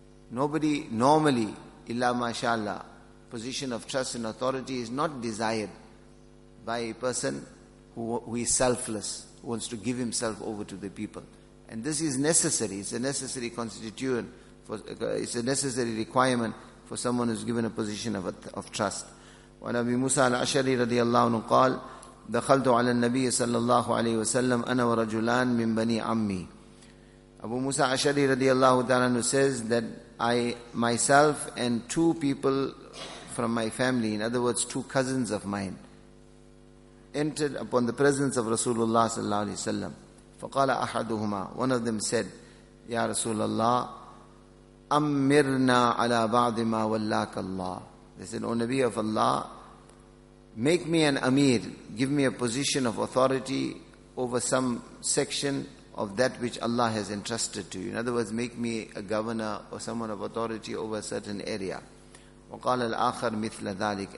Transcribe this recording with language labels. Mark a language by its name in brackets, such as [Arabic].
[English] Nobody normally, illa mashallah, position of trust and authority is not desired by a person who is selfless, who wants to give himself over to the people. And this is necessary. It's a necessary constituent. It's a necessary requirement for someone who's given a position of trust. [Arabic] وعن أبي موسى الأشعري رضي الله عنه قال دخلت على النبي صلى الله عليه وسلم أنا ورجلان من بني عمي. [English] أبو موسى الأشعري [Arabic] رضي الله تعالى عنه [English] says that I myself and two people from my family, in other words, two cousins of mine, entered upon the presence of Rasulullah [Arabic] صلى الله عليه وسلم. فقال أحدهما, [English] one of them said, [Arabic] يا رسول الله أمرنا على بعض ما ولاك الله. [English] They said, O Nabi of Allah, make me an amir, give me a position of authority over some section of that which Allah has entrusted to you. In other words, make me a governor or someone of authority over a certain area. [Arabic] وقال الآخر مثل ذلك.